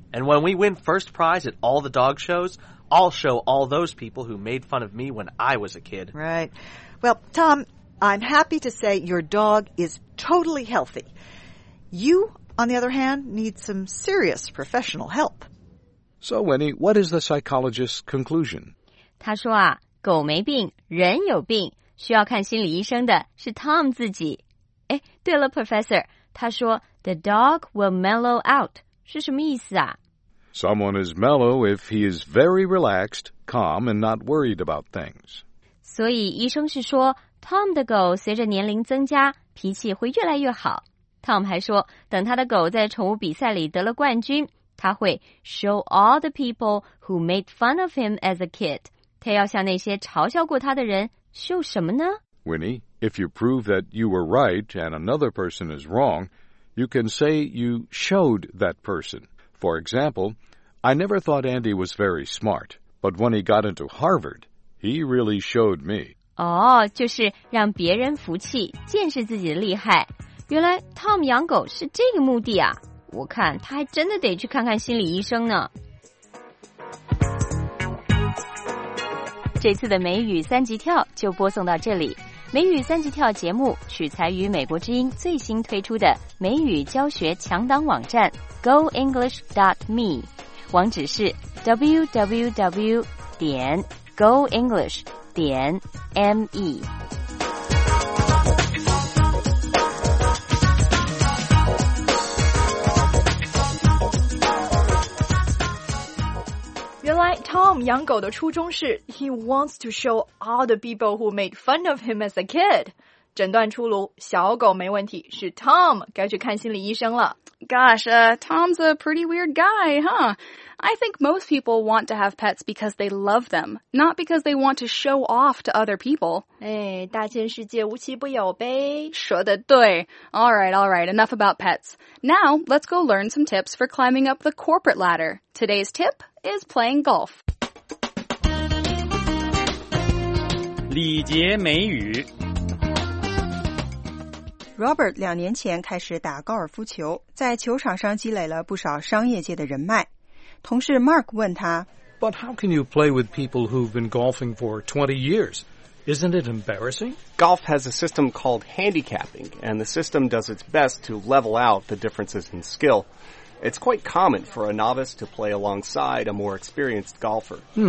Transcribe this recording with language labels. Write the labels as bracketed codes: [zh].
[en] And when we win first prize at all the dog shows, I'll show all those people who made fun of me when I was a kid. Right. Well, Tom, I'm happy to say your dog is totally healthy. You are... On the other hand, need some serious professional help. So, Winnie, what is the psychologist's conclusion? [zh] 他说啊，狗没病，人有病，需要看心理医生的是 Tom 自己。哎，对了 ，Professor， 他说 [en] the dog will mellow out [zh] 是什么意思啊 [en] Someone is mellow if he is very relaxed, calm, and not worried about things. [zh] 所以医生是说 ,Tom 的狗随着年龄增加脾气会越来越好。 Tom 还说等他的狗在宠物比赛里得了冠军他会 [en] show all the people who made fun of him as a kid. [zh] 他要向那些嘲笑过他的人 show 什么呢 [en] ?Winnie, if you prove that you were right and another person is wrong, you can say you showed that person. For example, I never thought Andy was very smart, but when he got into Harvard, he really showed me. [zh] 哦、oh, 就是让别人服气见识自己的厉害。原来 Tom 养狗是这个目的啊。我看他还真的得去看看心理医生呢。这次的美语三级跳就播送到这里。美语三级跳节目取材于美国之音最新推出的美语教学强档网站 goenglish.me， 网址是 www.goenglish.me。 [en] Tom [zh] 养狗的初衷是 [en] He wants to show all the people who made fun of him as a kid. [zh] 诊断出炉，小狗没问题，是 Tom 该去看心理医生了。 [en] Gosh, Tom's a pretty weird guy, huh? I think most people want to have pets because they love them, not because they want to show off to other people. [zh] 哎，大千世界无奇不有呗。说的对。 [en] Alright, alright, enough about pets. Now, let's go learn some tips for climbing up the corporate ladder. Today's tip... is playing golf. [zh] 礼节美语 Robert 两年前开始打高尔夫球，在球场上积累了不少商业界的人脉。同事 Mark 问他 [en] But how can you play with people who've been golfing for 20 years? Isn't it embarrassing? Golf has a system called handicapping, and the system does its best to level out the differences in skill. It's quite common for a novice to play alongside a more experienced golfer.